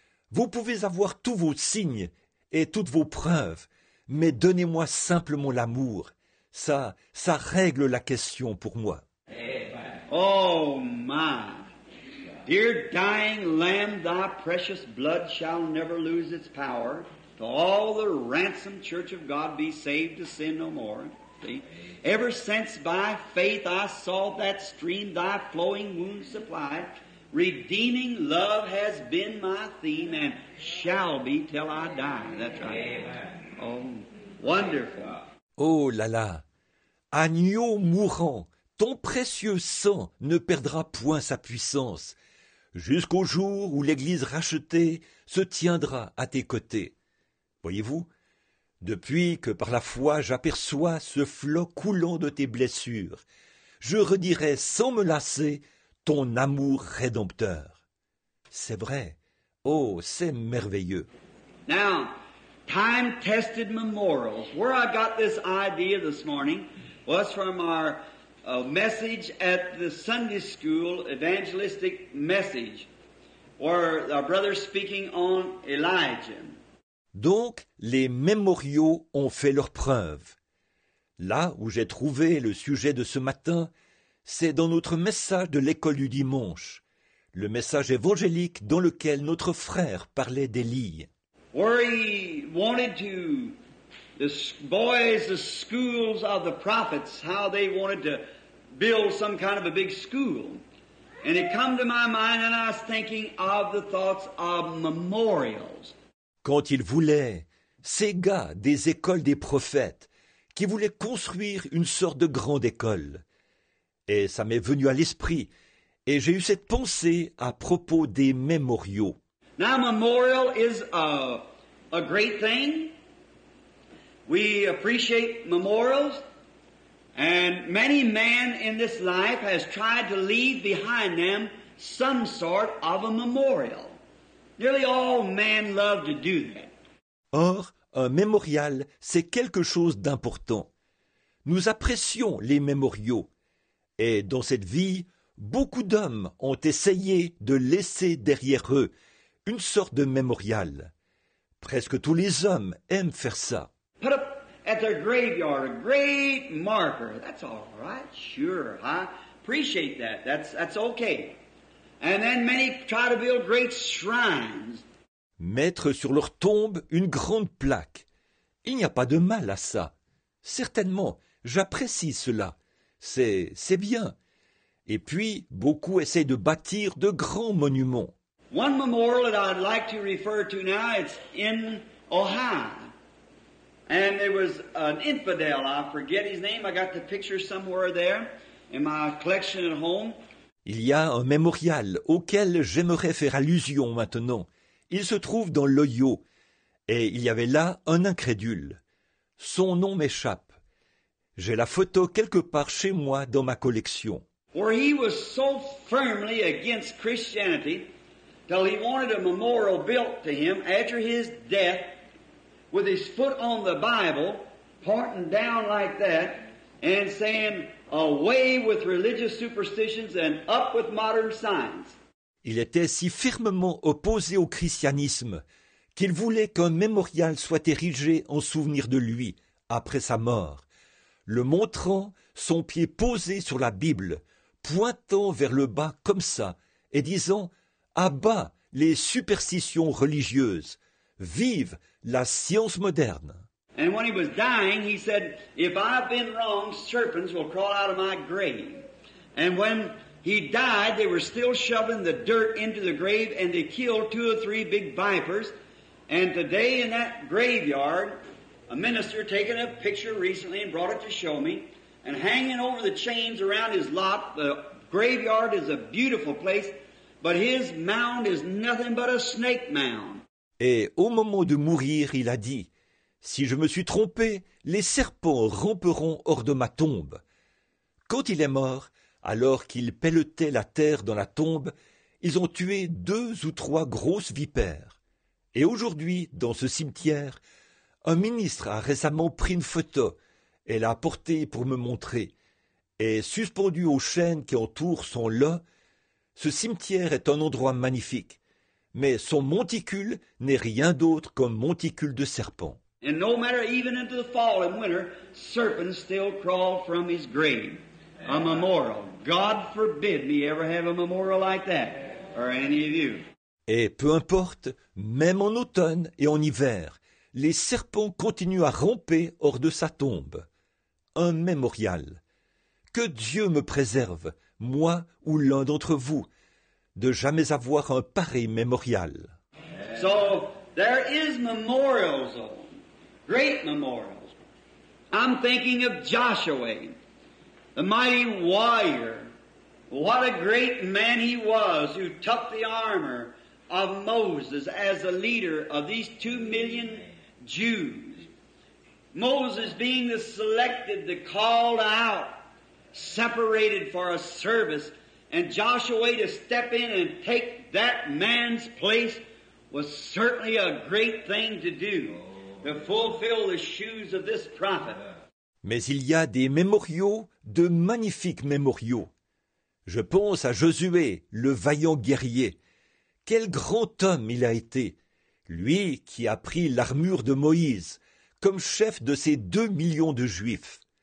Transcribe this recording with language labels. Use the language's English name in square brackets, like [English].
[French] Vous pouvez avoir tous vos signes et toutes vos preuves, mais donnez-moi simplement l'amour. Ça règle la question pour moi. [English] Oh my! Dear dying lamb, thy precious blood shall never lose its power, till all the ransomed church of God be saved to sin no more. See? Ever since by faith I saw that stream thy flowing wounds supplied, redeeming love has been my theme and shall be till I die. That's right. Oh, wonderful. [French] Oh là là, agneau mourant, ton précieux sang ne perdra point sa puissance. Jusqu'au jour où l'Église rachetée se tiendra à tes côtés. Voyez-vous, depuis que par la foi j'aperçois ce flot coulant de tes blessures, je redirai sans me lasser ton amour rédempteur. C'est vrai. Oh, c'est merveilleux. [English] Now, time-tested memorials. Where I got this idea this morning was from our a message at the Sunday school, evangelistic message, where our brother speaking on Elijah. [French] Donc, les mémoriaux ont fait leur preuve. Là où j'ai trouvé le sujet de ce matin, c'est dans notre message de l'école du dimanche, le message évangélique dans lequel notre frère parlait d'Élie. [English] Where he wanted to... The boys, the schools of the prophets, how they wanted to build some kind of a big school. And it came to my mind and I was thinking of the thoughts of memorials. [French] Quand ils voulaient, ces gars des écoles des prophètes, qui voulaient construire une sorte de grande école. Et ça m'est venu à l'esprit, et j'ai eu cette pensée à propos des mémoriaux. [English] Now, memorial is a great thing. We appreciate memorials, and many men in this life has tried to leave behind them some sort of a memorial. Nearly all men love to do that. [French] Or, un mémorial, c'est quelque chose d'important. Nous apprécions les mémoriaux, et dans cette vie, beaucoup d'hommes ont essayé de laisser derrière eux une sorte de mémorial. Presque tous les hommes aiment faire ça. [English] Put up at their graveyard a great marker. That's all right, sure. I appreciate that. That's okay. And then many try to build great shrines. [French] Mettre sur leur tombe une grande plaque. Il n'y a pas de mal à ça. Certainement, j'apprécie cela. C'est bien. Et puis, beaucoup essaient de bâtir de grands monuments. [English] One memorial that I'd like to refer to now, it's in Ohio. And there was an infidel, I forget his name, I got the picture somewhere there in my collection at home. [French] Il y a un mémorial auquel j'aimerais faire allusion maintenant. Il se trouve dans l'Ohio et il y avait là un incrédule. Son nom m'échappe. J'ai la photo quelque part chez moi dans ma collection. [English] Where he was so firmly against Christianity till he wanted a memorial built to him after his death. With his foot on the Bible, pointing down like that, and saying, "Away with religious superstitions and up with modern science." [French] Il était si fermement opposé au christianisme qu'il voulait qu'un mémorial soit érigé en souvenir de lui après sa mort, le montrant son pied posé sur la Bible, pointant vers le bas comme ça, et disant, "À bas les superstitions religieuses, vive la science moderne." [English] And when he was dying, he said, "If I've been wrong, serpents will crawl out of my grave." And when he died, they were still shoving the dirt into the grave, and they killed two or three big vipers. And today in that graveyard, a minister taken a picture recently and brought it to show me, and hanging over the chains around his lot, the graveyard is a beautiful place, but his mound is nothing but a snake mound. [French] Et au moment de mourir, il a dit, « Si je me suis trompé, les serpents ramperont hors de ma tombe. » Quand il est mort, alors qu'ils pelletaient la terre dans la tombe, ils ont tué 2 ou 3 grosses vipères. Et aujourd'hui, dans ce cimetière, un ministre a récemment pris une photo et l'a portée pour me montrer. Et suspendu aux chaînes qui entourent son lit, ce cimetière est un endroit magnifique. Mais son monticule n'est rien d'autre qu'un monticule de serpents. [English] And no matter even into the fall and winter, serpents still crawl from his grave. A memorial. God forbid me ever have a memorial like that, or any of you. [French] Et peu importe, même en automne et en hiver, les serpents continuent à ramper hors de sa tombe. Un mémorial. Que Dieu me préserve, moi ou l'un d'entre vous, de jamais avoir un pareil mémorial. [English] So, there is memorials, great memorials. I'm thinking of Joshua, the mighty warrior. What a great man he was who took the armor of Moses as the leader of these 2 million Jews. Moses being the selected, the called out, separated for a service, and Joshua to step in and take that man's place was certainly a great thing to do, to fulfill the shoes of this prophet. [French] Mais il y a des mémoriaux, de magnifiques mémoriaux. Je pense à Josué, le vaillant guerrier. Quel grand homme il a été, lui qui a pris l'armure de Moïse comme chef de ces 2 millions de Juifs.